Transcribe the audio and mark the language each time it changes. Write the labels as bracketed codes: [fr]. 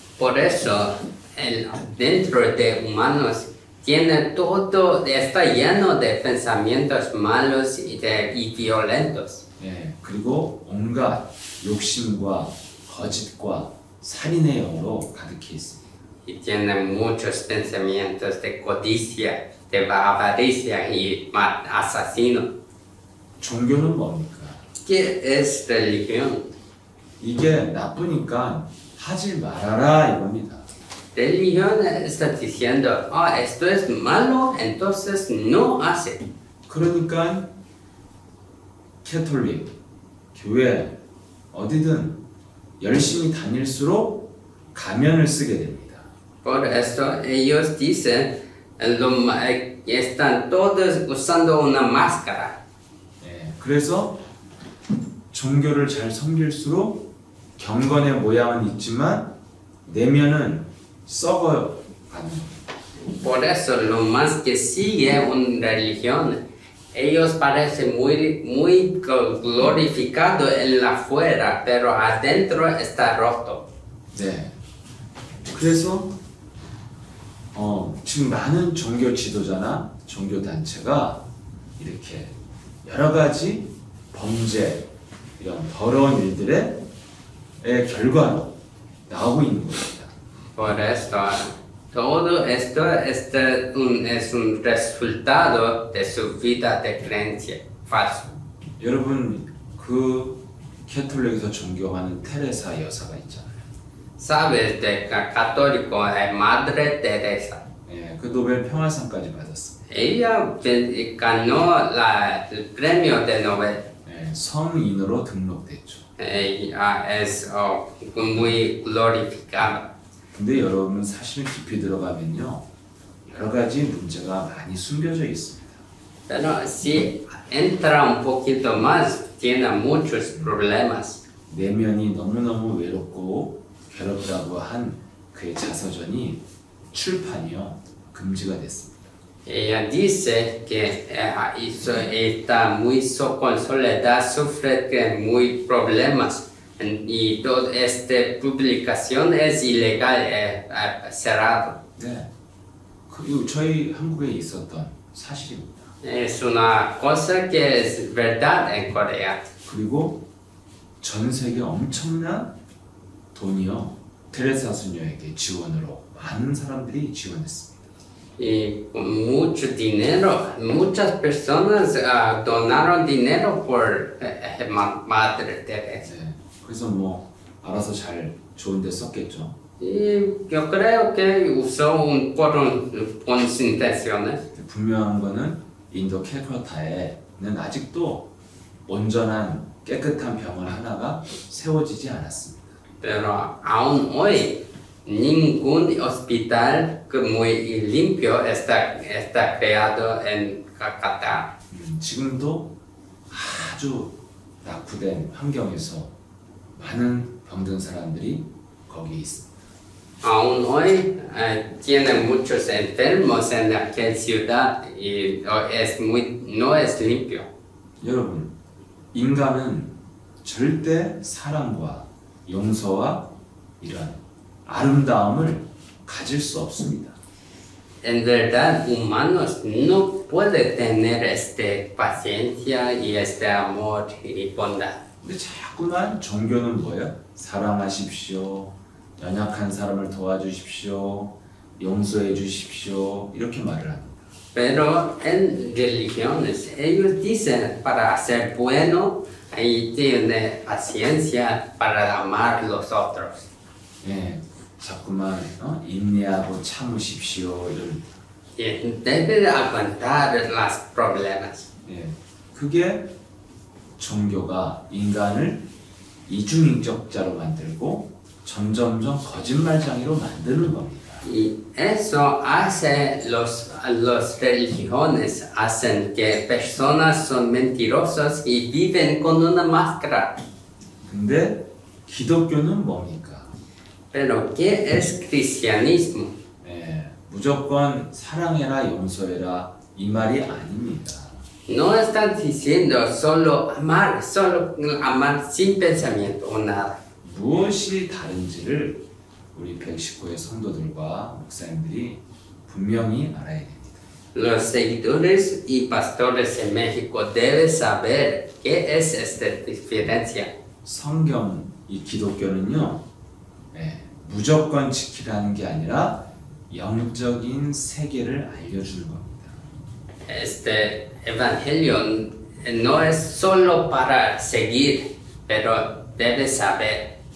[es] Por eso, el dentro de humanos tiene todo, está lleno de pensamientos malos y violentos. [ko] 네, 그리고 온갖 욕심과 거짓과 살인의 영으로 가득해 있습니다. [es] Y tiene muchos pensamientos de codicia, de avaricia y asesino. [ko] 종교는 뭡니까? [es] ¿Qué es religión? [ko] 이게 나쁘니까 하지 말아라 이겁니다. [es] Religion está diciendo, esto es malo, entonces no hace. [ko] 그러니까 캐톨릭 교회 어디든 열심히 다닐수록 가면을 쓰게 됩니다. [es] Por eso ellos dicen, están todos usando una máscara. [ko] 네, 그래서 종교를 잘 섬길수록 경건의 모양은 있지만 내면은 썩어 가는 [es] Por eso, lo más que sigue una religión, ellos parecen muy, muy glorificados en la fuera, pero adentro está roto. [ko] 네. 그래서 지금 많은 종교 지도자나 종교 단체가 이렇게 여러 가지 범죄 이런 더러운 일들의 결과로 나오고 있는 겁니다. [es] Por eso. Todo esto es un resultado de su vida de creencia falsa. [ko] 여러분, 그 캐톨릭에서 존경하는 테레사 여사가 있잖아요. [es] Sabes de católico es Madre Teresa. [ko] 예, 그 노벨 평화상까지 받았어요. [es] Ella ganó el premio de Nobel. [ko] 예, 성인으로 등록됐죠. [es] Ella es muy glorificada. [ko] 근데 여러분은 사실 깊이 들어가면요 여러 가지 문제가 많이 숨겨져 있습니다. [es] Pero si entra un poquito más tiene muchos problemas. [ko] 내면이 너무너무 외롭고 괴롭다고 한 그의 자서전이 출판이요 금지가 됐습니다. [es] Ella dice que está muy con soledad, sufre de muy problemas. Y toda esta publicación es ilegal, cerrado. [ko] 네, 그리고 저희 한국에 있었던 사실입니다. [es] Es una cosa que es verdad en Corea. [ko] 그리고 전 세계 엄청난 돈이요, 테레사 수녀에게 지원으로 많은 사람들이 지원했습니다. [es] Y mucho dinero, muchas personas donaron dinero por Madre Teresa. [ko] 네. 그래서 뭐 알아서 잘 좋은 데 썼겠죠. [es] 예, creo que usó un buenas intenciones. [ko] 분명한 거는 인도 캘커타에는 아직도 온전한 깨끗한 병원 하나가 세워지지 않았습니다. [es] Pero aún hoy ningún hospital muy limpio está creado en Calcutta. [ko] 지금도 아주 낙후된 환경에서 많은 병든 사람들이 거기 있습니다. [es] Aún hoy tiene muchos enfermos en aquel ciudad y es muy no es limpio. [ko] 여러분, 인간은 절대 사랑과 용서와 이런 아름다움을 가질 수 없습니다. [es] En verdad, humanos no puede tener este paciencia y este amor y bondad. [ko] 근데 자꾸만 종교는 뭐예요? 사랑하십시오, 연약한 사람을 도와주십시오, 용서해 주십시오 이렇게 말을 합니다. [es] Pero en religiones ellos dicen para ser bueno y tiene paciencia para amar los otros. [ko] 예, 자꾸만 인내하고 참으십시오 이런. [es] Debe aguantar los problemas. [ko] 예, 그게 종교가 인간을 이중인격자로 만들고 점점점 거짓말장애로 만드는 겁니다. [es] Y eso hace los religiones hacen que personas son mentirosas y viven con una máscara. [ko] 근데 기독교는 뭡니까? [es] Pero qué es cristianismo? [ko] 예, 무조건 사랑해라 용서해라 이 말이 아닙니다. [es] No están diciendo solo amar sin pensamiento o nada. [ko] 무엇이 다른지를 우리 119의 성도들과 목사님들이 분명히 알아야 됩니다. [es] Los seguidores y pastores en México deben saber qué es esta diferencia. [ko] 성경, 이 기독교는요, 네, 무조건 지키라는 게 아니라 영적인 세계를 알려주는 겁니다. [es] Este evangelio no es solo para seguir, pero debe saber.